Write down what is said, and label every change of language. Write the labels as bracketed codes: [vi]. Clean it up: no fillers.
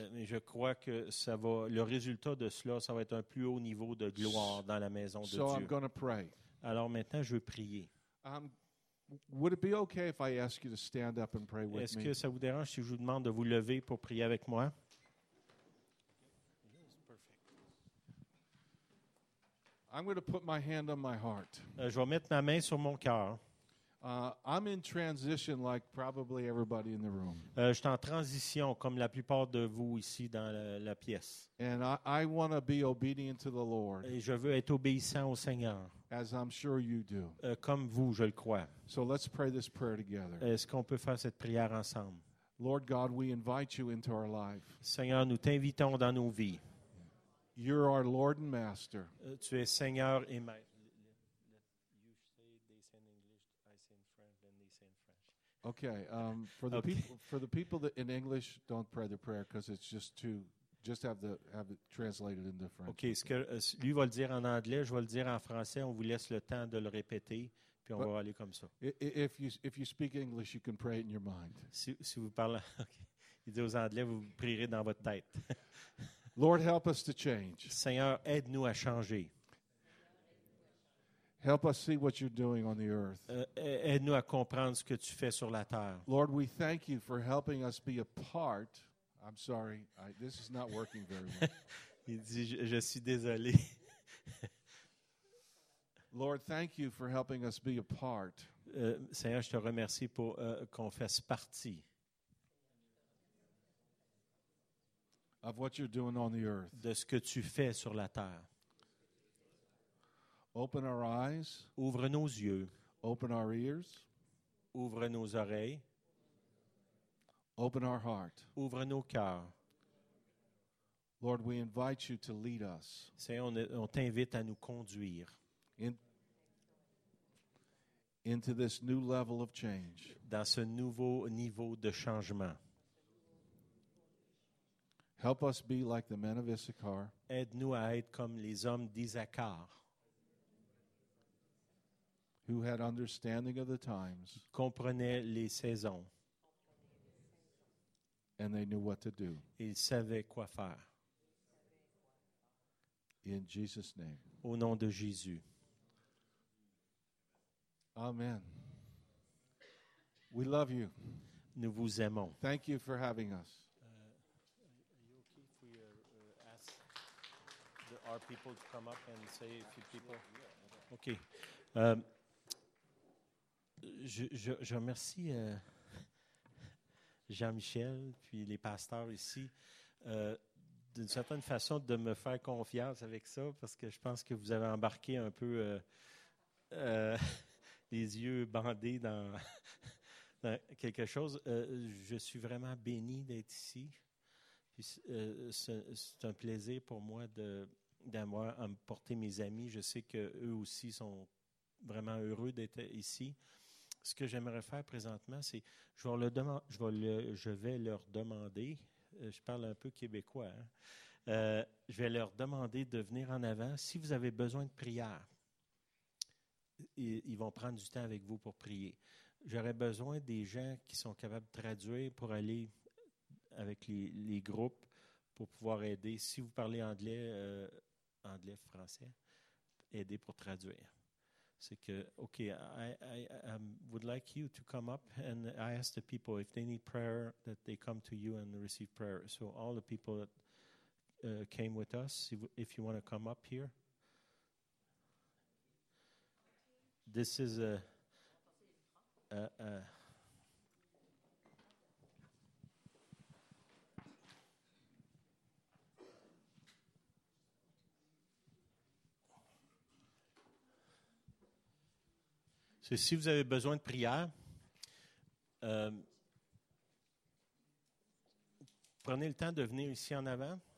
[fr] Mais je crois que ça va, le résultat de cela, ça va être un plus haut niveau de gloire dans la maison de [en] so [fr] Dieu. [en] I'm gonna pray. [fr] Alors maintenant, je vais prier. [en] Would it be okay if I ask you to stand up and pray with me? [fr] Est-ce que ça vous dérange si je vous demande de vous lever pour prier avec moi? [en] I'm going to put my hand on my heart. [fr] Je vais mettre ma main sur mon cœur. [en] I'm in transition like probably everybody in the room. [fr] Je suis en transition comme la plupart de vous ici dans la pièce. [en] And I want to be obedient to the Lord. [fr] Et je veux être obéissant au Seigneur. [en] As I'm sure you do. [fr] Comme vous, je le crois. [en] So let's pray this prayer together. [fr] Est-ce qu'on peut faire cette prière ensemble? [en] Lord God, we invite you into our life. [fr] Seigneur, nous t'invitons dans nos vies. [en] You're our Lord and Master. [fr] Tu es Seigneur et Maître. [en] Okay, for the people that in English don't pray the prayer because it's just have it translated into French. [fr] Okay, ce que lui va le dire en anglais, je vais le dire en français. On vous laisse le temps de le répéter, puis on va aller comme ça. [en] If you speak English, you can pray it in your mind. [fr] Si vous parlez, okay. Il dit aux anglais, vous prierez dans votre tête. [en] Lord, help us to change. [fr] Seigneur, aide-nous à changer. [en] Help us see what you're doing on the earth. [fr] Aide-nous à comprendre ce que tu fais sur la terre. [en] Lord, we thank you for helping us be a part. I'm sorry, this is not working very much. [fr] Il dit, je suis désolé. [en] Lord, thank you for helping us be a part. [fr] Seigneur, je te remercie pour qu'on fasse partie. [en] Of what you're doing on the earth. [fr] De ce que tu fais sur la terre. [en] Open our eyes. [fr] Ouvre nos yeux. [en] Open our ears. [fr] Ouvre nos oreilles. [en] Open our heart. [fr] Ouvre nos cœurs. [en] Lord, we invite you to lead us. [fr] Seigneur, on t'invite à nous conduire. [en] Into this new level of change. [fr] Dans ce nouveau niveau de changement. [en] Help us be like the men of Issachar. [fr] Aide-nous à être comme les hommes d'Issachar. [en] Who had understanding of the times, [fr] comprenaient les saisons, [en] and they knew what to do. [fr] Ils savaient quoi faire. [en] In Jesus' name. [fr] Au nom de Jésus. [en] Amen. We love you. [fr] Nous vous aimons. [en] Thank you for having us. Are you okay if we ask our people to come up and say a few people? Okay. [fr] Je remercie Jean-Michel puis les pasteurs ici d'une certaine façon de me faire confiance avec ça parce que je pense que vous avez embarqué un peu les yeux bandés dans quelque chose. Je suis vraiment béni d'être ici. Puis, c'est un plaisir pour moi d'avoir emporté mes amis. Je sais qu'eux aussi sont vraiment heureux d'être ici. Ce que j'aimerais faire présentement, c'est je vais leur demander, je parle un peu québécois, hein, je vais leur demander de venir en avant. Si vous avez besoin de prière, ils vont prendre du temps avec vous pour prier. J'aurais besoin des gens qui sont capables de traduire pour aller avec les groupes pour pouvoir aider. Si vous parlez anglais, anglais, français, aider pour traduire. [en] Okay, I would like you to come up and I ask the people if they need prayer that they come to you and receive prayer. So all the people that came with us, if you want to come up here. This is [fr] c'est si vous avez besoin de prière, prenez le temps de venir ici en avant.